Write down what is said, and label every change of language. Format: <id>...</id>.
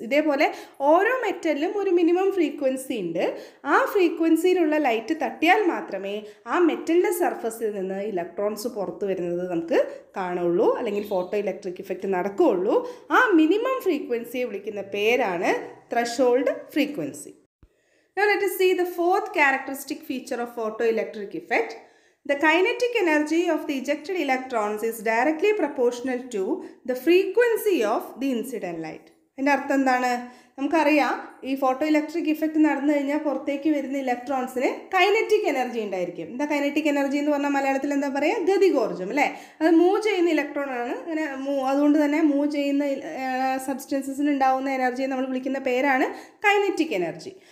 <ml>ഇതേപോലെ ഓരോ മെറ്റലിനും ഒരു മിനിമം ഫ്രീക്വൻസി ഉണ്ട്. ആ ഫ്രീക്വൻസിയിലുള്ള ലൈറ്റ് തട്ടിയാൽ മാത്രമേ ആ മെറ്റലിൻ്റെ സർഫസിൽ നിന്ന് ഇലക്ട്രോൺസ് പുറത്തു വരുന്നത് നമുക്ക് കാണുള്ളൂ, അല്ലെങ്കിൽ ഫോട്ടോ ഇലക്ട്രിക് ഇഫക്റ്റ് നടക്കുകയുള്ളൂ. ആ മിനിമം ഫ്രീക്വൻസിയെ വിളിക്കുന്ന പേരാണ് threshold frequency.</ml> <en>Now let us see the fourth characteristic feature of photoelectric effect. The kinetic energy of the ejected electrons is directly proportional to the frequency of the incident light.</en> <ml>അതിൻ്റെ അർത്ഥം എന്താണ്? നമുക്കറിയാം ഈ photo electric effect നടന്നു കഴിഞ്ഞാൽ പുറത്തേക്ക് വരുന്ന ഇലക്ട്രോൺസിന് kinetic energy ഉണ്ടായിരിക്കും. എന്താ കൈനറ്റിക് എനർജി എന്ന് പറഞ്ഞാൽ മലയാളത്തിൽ എന്താ പറയുക? ഗതികോർജം അല്ലേ. അത് മൂവ് ചെയ്യുന്ന ഇലക്ട്രോണാണ്. അങ്ങനെ അതുകൊണ്ട് തന്നെ മൂവ് ചെയ്യുന്ന സബ്സ്റ്റൻസസിനുണ്ടാവുന്ന എനർജിയെ നമ്മൾ വിളിക്കുന്ന പേരാണ് കൈനറ്റിക് എനർജി.</ml>